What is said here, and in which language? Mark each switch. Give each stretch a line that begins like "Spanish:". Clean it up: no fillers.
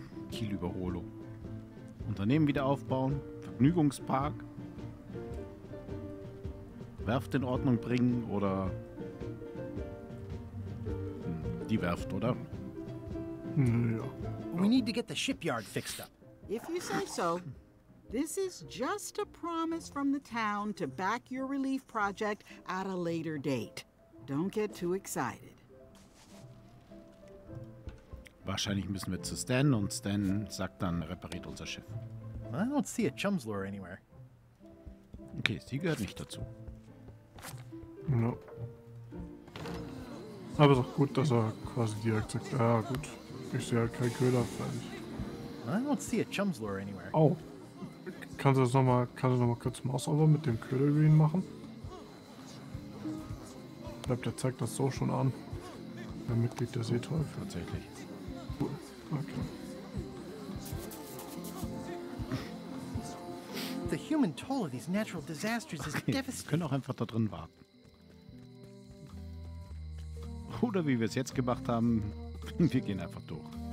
German: Kielüberholung. Unternehmen wieder aufbauen, Vergnügungspark, Werft in Ordnung bringen oder die Werft, oder? Ja.
English: We need to get the shipyard fixed up. If you say so. This is just a promise from the town to back your relief project at a later date. Don't get too excited.
German: Wahrscheinlich müssen wir zu Stan und Stan sagt dann, repariert unser Schiff.
English: I don't see a Chum's lure anywhere.
German: Okay, sie gehört nicht dazu.
English: No.
German: Aber es ist auch gut, dass er quasi direkt sagt, ja gut, ich sehe halt keinen Köder fertig.
English: I don't see a Chum's lure anywhere. Oh.
German: Kannst du das nochmal, kannst du noch mal kurz Mausover mit dem Ködergreen machen? Ich glaube, der zeigt das so schon an. Der Mitglied der Seeteufel. Tatsächlich. Cool. Okay.
English: The human toll of these natural disasters is devastating.
German: Wir können auch einfach da drin warten. Oder wie wir es jetzt gemacht haben, wir gehen einfach durch.